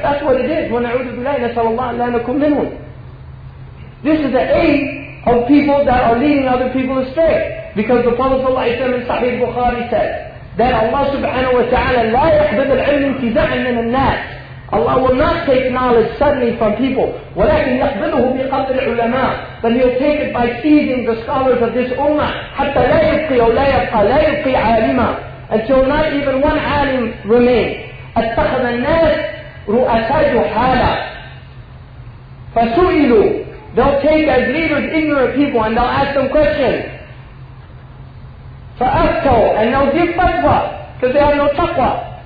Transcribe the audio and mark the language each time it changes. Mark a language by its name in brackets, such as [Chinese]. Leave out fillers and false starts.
[English] That's what it is. [Arabic] وَنَعُوذُ بِاللَّهِ نَسَأَلُ اللَّهَ أَن لَا نَكُونَ مِنْهُمْ. [English] This is an age of people that are leading other people astray. Because the Prophet ﷺ in Sahih Bukhari said that Allah subhanahu wa ta'ala [Arabic] لا يقبض العلم انتزاعا من الناس. [English] Allah will not take knowledge suddenly from people. [Arabic] ولكن يقبضه بقبض العلماء. [English] But He will take it by seizing the scholars of this ummah. [Arabic] حتى لا يبقي أو لا يبقى لا يبقي عالما. [English] Until not even one alim remains. [Arabic] أتخذ الناس رؤساء جحالا. فسئلوا. [English] They'll take as leaders ignorant people and they'll ask them questions. [Arabic] فأفتوا [English] and they'll give fatwa because they have no taqwa.